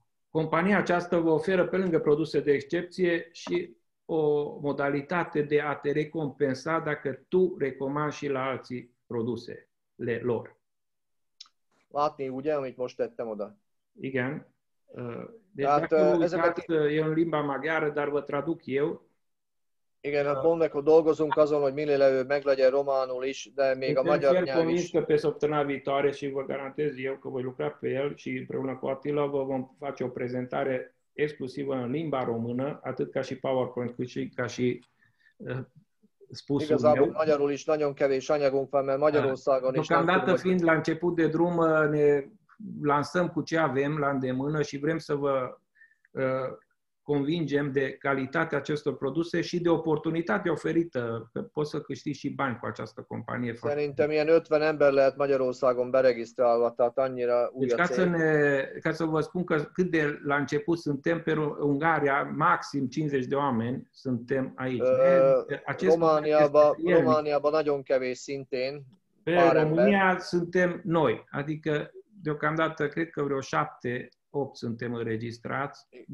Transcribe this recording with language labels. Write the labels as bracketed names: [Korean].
[Romanian] compania aceasta vă oferă pe lângă produse de excepție și o modalitate de a te recompensa dacă tu recomanzi și la alții produsele lor. [Hungarian] Látni, ugye, amit most tettem oda. Igen. [Romanian] E în limba maghiară, dar vă traduc eu. [Hungarian] Igen, mondek, hogy dolgozunk azon, hogy minél előbb meg legyen románul is, de még a magyar nyelv is. [Romanian] Sunt convins că pe săptămâna viitoare și vă garantez eu că voi lucra pe el și împreună cu Attila vă vom face o prezentare exclusiv în limba română, atât ca și PowerPoint, cât și ca și spusul meu. [Hungarian] Igazából magyarul is nagyon kevés anyagunk van, mert Magyarországon is. [Romanian] Deocamdată fiind la început de drum, ne lansăm cu ce avem la îndemână și vrem să vă convingem de calitatea acestor produse și de oportunitatea oferită, că poți să câștigi și bani cu această companie. [Hungarian] Szerintem ilyen 50 ember lehet Magyarországon beregisztrálva, tehát annyira új a cég. [Romanian] Ca să vă spun că cât de la început suntem pe Ungaria, maxim 50 de oameni suntem aici. [Hungarian] Romániában nagyon kevés szintén. [Romanian] Pe România suntem noi, adică deocamdată cred că vreo 7 8 suntem înregistrați.